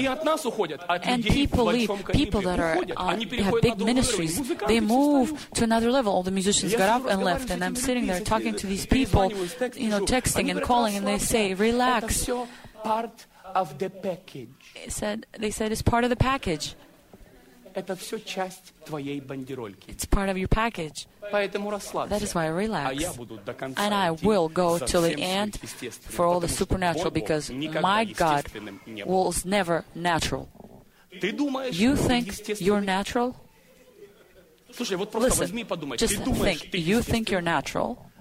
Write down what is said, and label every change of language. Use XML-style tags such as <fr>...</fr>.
<en>And people leave, people that are have big ministries, they move to another level. All the musicians got up and left, and I'm sitting there talking to these people, you know, texting and calling, and they say, relax. They said, it's part of the package.</en> <ru>Это все часть твоей бандерольки.</ru> <en>It's part of your package.</en> <ru>Поэтому расслабься.</ru> <en>That is why I relax.</en> <ru>А я буду до конца.</ru> <en>And I will go till the end for all the supernatural because my God was never natural.</en> <ru>Ты думаешь,</ru> <en>you think you're natural?</en> <ru>Слушай, вот просто</ru> <en>Listen,</en> <ru>возьми и подумай.</ru> <en>Just think. You think you're natural?</en>